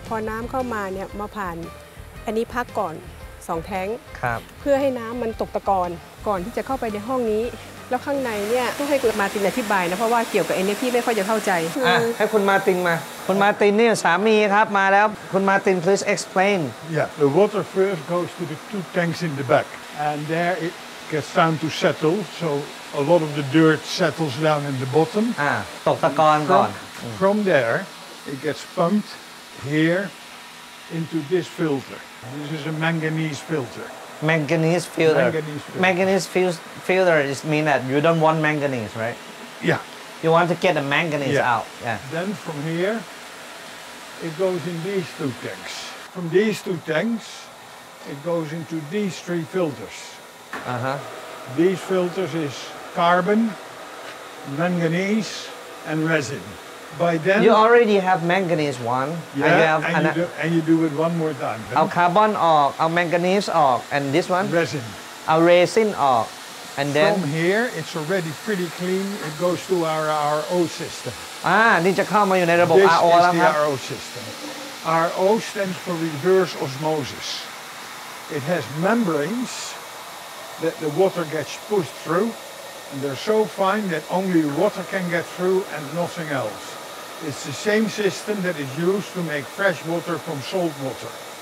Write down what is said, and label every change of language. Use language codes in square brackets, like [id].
[th] พอน้ำเข้ามาเนี่ยมาผ่านอันนี้พักก่อน2แท้ง ครับ เพื่อให้น้ำมันตกตะกอนก่อนที่จะเข้าไปในห้องนี้แล้วข้างในเนี่ยต้องให้คุณมาตินอธิบายนะเพราะว่าเกี่ยวกับไอ้นี่พี่ไม่ค่อยจะเข้าใจ ให้คุณมาตินมาคุณมาตินนี่สามีครับมาแล้วคุณมาติน [en] please explain yeah the water first goes to the two tanks in the back and there it gets found to settle so a lot of the dirt settles down in the bottom [th] ตกตะกอนก่อน [en] from there it gets pumped here into this filterThis is a manganese filter. Manganese filter. Manganese filter. Manganese filter is mean that you don't want manganese, right? Yeah. You want to get the manganese out. Yeah. Then from here, it goes in these two tanks. From these two tanks, it goes into these three filters. Uh-huh. These filters is carbon, manganese, and resin. By then, you already have manganese one. Yeah, and you do it one more time. [th] เอาคาร์บอนออกเอาแมงกานีสออก [en] and this one resin. [th] เอาเรซินออก [en] and then from here it's already pretty clean. It goes to our RO system. [th] นี่จะเข้ามาอยู่ในระบบ RO แล้วครับ [en] This is the RO system. RO stands for reverse osmosis. It has membranes that the water gets pushed through. And they're so fine that only water can get through and nothing else. It's the same system that is used to make fresh water from salt water.